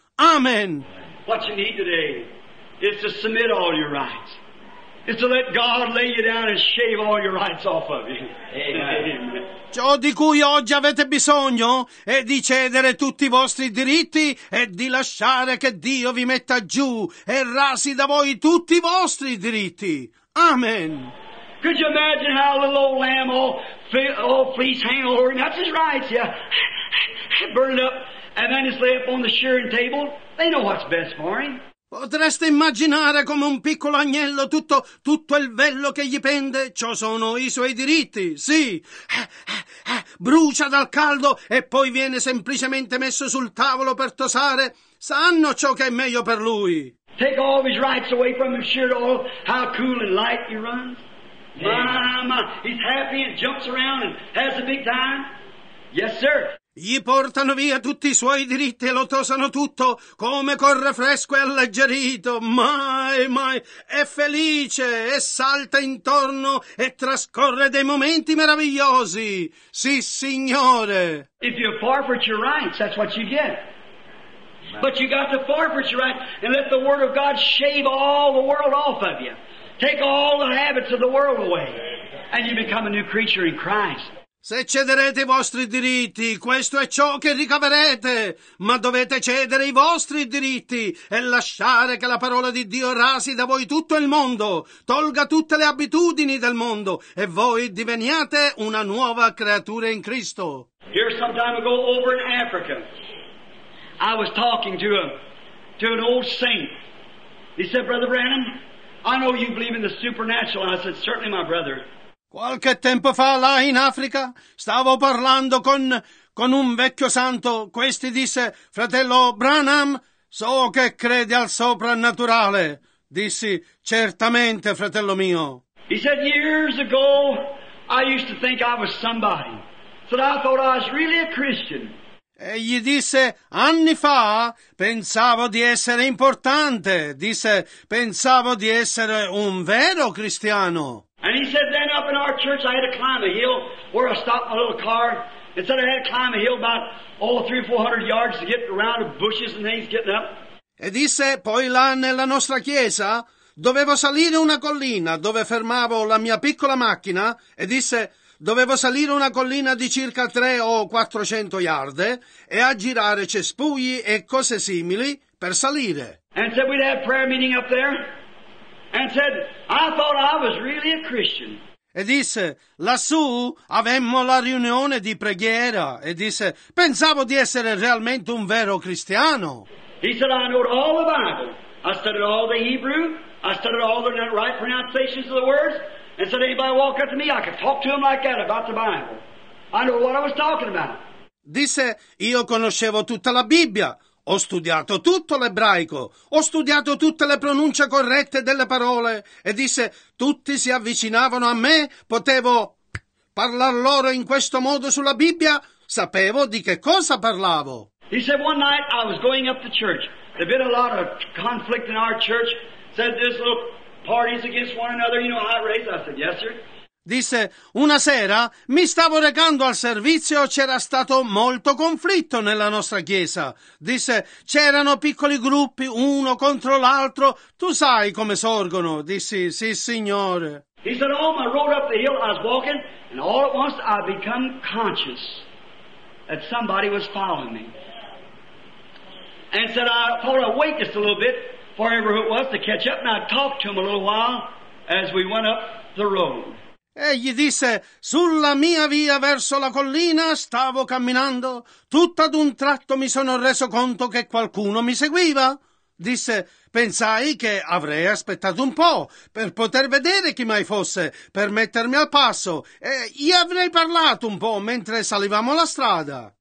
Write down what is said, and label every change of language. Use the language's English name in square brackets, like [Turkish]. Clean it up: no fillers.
[English] Amen. What you need today is to submit all your rights. It's to let God lay you down and shave all your rights off of you. Amen. [Italian] Ciò di cui oggi avete bisogno è di cedere tutti i vostri diritti e di lasciare che Dio vi metta giù e rasi da voi tutti i vostri diritti. Amen. [English] Could you imagine how a little old lamb all fleece hang over him? That's his rights, yeah. Burn it up and then it's lay up on the shearing table. They know what's best for him. [Italian] Potreste immaginare come un piccolo agnello tutto il vello che gli pende, ciò sono i suoi diritti, sì. Brucia dal caldo e poi viene semplicemente messo sul tavolo per tosare. Sanno ciò che è meglio per lui. [English] Take all his rights away from him, sure to all how cool and light he runs. My, he's happy and jumps around and has a big time. Yes, sir. [Italian] Gli portano via tutti i suoi diritti e lo tosano tutto, come corre fresco e alleggerito. Mai, è felice e salta intorno e trascorre dei momenti meravigliosi. Sì, signore. [English] If you forfeit your rights, that's what you get. But you got to forfeit your rights and let the word of God shave all the world off of you. Take all the habits of the world away and you become a new creature in Christ. [Italian] Se cederete i vostri diritti, questo è ciò che ricaverete. Ma dovete cedere i vostri diritti e lasciare che la parola di Dio rasi da voi tutto il mondo, tolga tutte le abitudini del mondo e voi diveniate una nuova creatura in Cristo. [English] Here some time ago over in Africa, I was talking to an old saint. He said, Brother Branham, I know you believe in the supernatural. And I said, certainly, my brother. [Italian] Qualche tempo fa là in Africa stavo parlando con un vecchio santo. Questi disse, fratello Branham, so che crede al soprannaturale. Dissi, certamente, fratello mio. [English] He said, years ago I used to think I was somebody. So I thought I was really a Christian. [Italian] E gli disse, anni fa pensavo di essere importante. Disse, pensavo di essere un vero cristiano. [English] And he said, then up in our church, I had to climb a hill where I stopped my little car. And said, I had to climb a hill about all 300 or 400 yards to get around the bushes and things getting up. [Italian] E disse, poi là nella nostra chiesa, dovevo salire una collina dove fermavo la mia piccola macchina. E disse, dovevo salire una collina di circa [English] 300 or 400 yards [Italian] e aggirare cespugli e cose simili per salire. [English] And said, we'd have prayer meeting up there. And said, I thought I was really a Christian. [Italian] E disse, lassù avemmo la riunione di preghiera. E disse, pensavo di essere realmente un vero cristiano. [English] He said, I know all the Bible. I studied all the Hebrew. I studied all the right pronunciations of the words. And said, anybody walk up to me, I could talk to him like that about the Bible. I know what I was talking about. [Italian] Disse, io conoscevo tutta la Bibbia. Ho studiato tutto l'ebraico, ho studiato tutte le pronunce corrette delle parole. E disse, tutti si avvicinavano a me, potevo parlar loro in questo modo sulla Bibbia, sapevo di che cosa parlavo. [English] He said, one night I was going up to church. There been a lot of conflict in our church. Said, there's little parties against one another, you know, I raised. I said, yes, sir. [Italian] Disse, una sera mi stavo recando al servizio, c'era stato molto conflitto nella nostra chiesa. Disse, c'erano piccoli gruppi, uno contro l'altro, tu sai come sorgono. Dissi, sì signore. [English] He said, oh, I rode up the hill, I was walking, and all at once I became conscious that somebody was following me. And said, I thought I'd wait just a little bit, for whoever it was, to catch up, and I talked to him a little while as we went up the road. [Italian] Egli disse, sulla mia via verso la collina stavo camminando, tutto ad un tratto mi sono reso conto che qualcuno mi seguiva. Disse, pensai che avrei aspettato un po' per poter vedere chi mai fosse, per mettermi al passo, e gli avrei parlato un po' mentre salivamo la strada.